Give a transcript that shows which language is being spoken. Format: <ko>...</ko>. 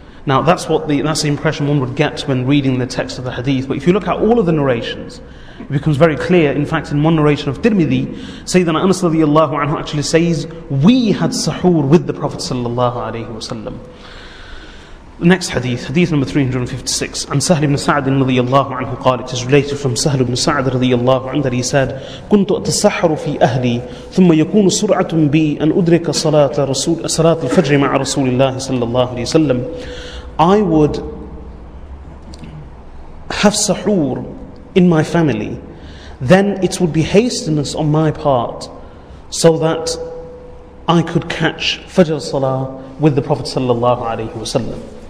<en>Now that's the impression one would get when reading the text of the hadith. But if you look at all of the narrations, it becomes very clear. In fact, in one narration of Tirmidhi, Sayyidina Anas radiallahu anhu actually says, we had sahur with the Prophet sallallahu alayhi wa sallam. Next hadith, hadith number 356.</en> <ar>An Sahl ibn Sa'd radiallahu anhu qala,</ar> <en>it is related from Sahl ibn Sa'd radiallahu anhu that he said,</en> <ar>كنت أتسحر في أهلي ثم يكون سرعة بي أن أدرك صلاة رسول صلاة الفجر مع رسول الله صلى الله عليه وسلم.</ar> <en>I would have sahur in my family, then it would be hastiness on my part so that I could catch Fajr Salah with the Prophet sallallahu alayhi wa sallam.</en>